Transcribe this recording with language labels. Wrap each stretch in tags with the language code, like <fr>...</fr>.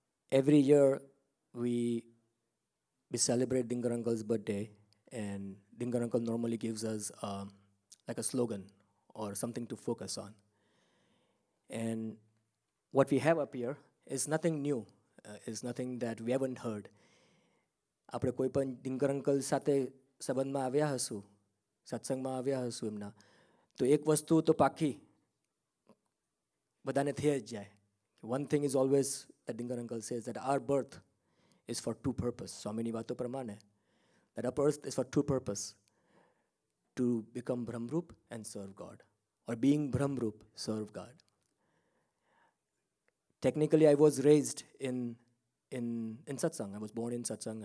<en>Every year we celebrate Dinkaruncle's birthday and Dinkaruncle normally gives us like a slogan or something to focus on. And what we have up here is nothing new, is nothing that we haven't heard.</en> <gu>આપણે કોઈ પણ દિંકરંકલ સાથે સંબંધમાં આવ્યા હશું, સત્સંગમાં આવ્યા હશું એમના, તો એક વસ્તુ તો પાકી બધાને થઈ જ જાય કે</gu> <en>One thing is always that Dinkaruncle says that our birth is for two purpose. So many</en> <gu>vato pramana.</gu> <en>That our birth is for two purpose. To become Brahmroop and serve God. Or being Brahmroop, serve God. Technically, I was raised in Satsang. I was born in Satsang.</en>